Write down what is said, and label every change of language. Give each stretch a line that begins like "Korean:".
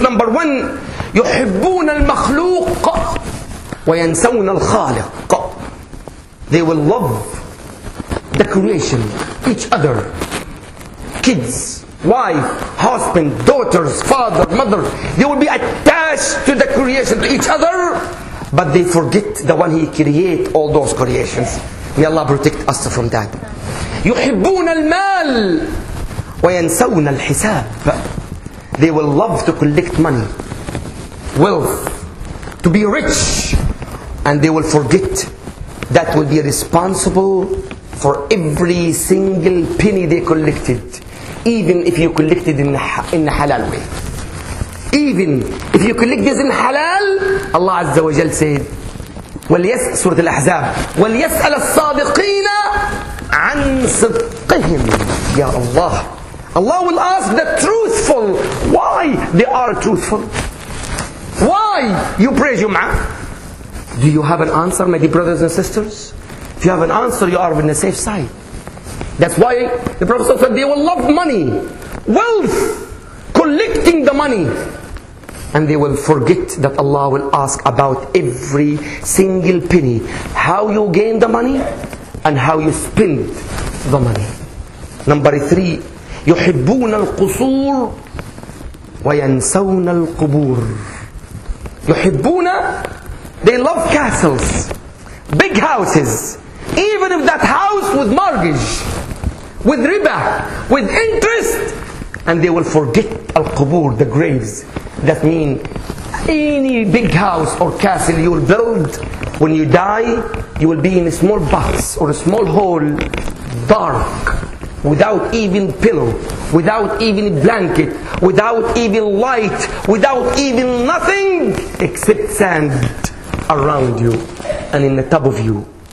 English: Number one,
Arabic: يحبون المخلوق وينسون الخالق.
English: They will love the creation, each other, kids, wife, husband, daughters, father, mother. They will be attached to the creation, to each other, but they forget the one he create all those creations. May Allah protect us from that.
Arabic: يحبون المال وينسون الحساب.
English: They will love to collect money, wealth, to be rich, and they will forget that will be responsible for every single penny they collected. Even if you collected in a halal way. Even if you collect this in halal, Allah Azza wa Jal said, Surah Al-Ahzab,
Arabic: وَلْيَسْأَلَ الصَّادِقِينَ عَنْ صِدْقِهِمْ.
English: Ya Allah, Allah will ask the truthful, why they are truthful? Why you pray Jum'ah? Do you have an answer, my dear brothers and sisters? If you have an answer, you are on the safe side. That's why the Prophet said they will love money, wealth, collecting the money. And they will forget that Allah will ask about every single penny. How you gain the money and how you spend the money. Number three,
Arabic: يحبون القصور وينسون القبور. يحبون,
English: they love castles, big houses, even if that house with mortgage, with riba, with interest, and they will forget al-qubur, the graves. That means any big house or castle you will build, when you die, you will be in a small box or a small hole, dark, without even pillow, without even blanket, without even light, without even nothing except sand around you and in the top of you.